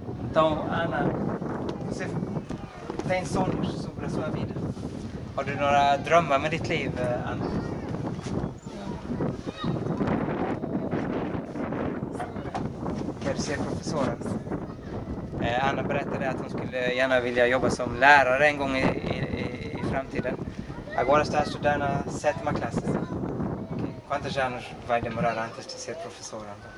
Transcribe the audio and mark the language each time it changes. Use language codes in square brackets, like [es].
[pt] Então, Ana, você tem sonhos sobre a sua vida? [sv] Har du några drömmar med ditt liv, Ana? Kan du se professoren? Ana berättade att hon skulle gärna vilja jobba som lärare en gång i framtiden. [pt] Agora está estudando sétima classe. Quantos anos vai demorar antes de ser professora?